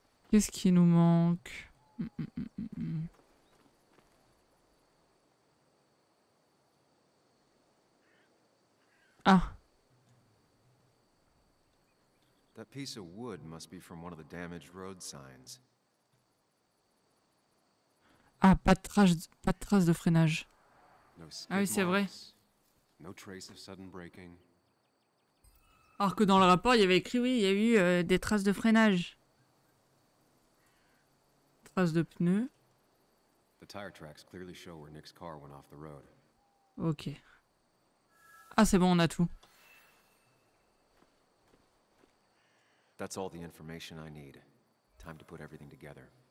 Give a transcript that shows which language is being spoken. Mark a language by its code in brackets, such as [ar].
[fr] Qu'est-ce qui nous manque ? Ah. [en] That piece of wood must be from one of the damaged road signs. [fr] Ah, pas de trace de freinage. [en] No skid marks. [fr] Ah oui, c'est vrai. [en] No trace of sudden braking. [fr] Alors que dans le rapport, il y avait écrit oui, il y a eu des traces de freinage. Traces de pneus. [en] The tire tracks clearly show where Nick's car went off the road. [fr] OK. Ah, c'est bon, on a tout. [en] That's all the information I need. Time to put everything together.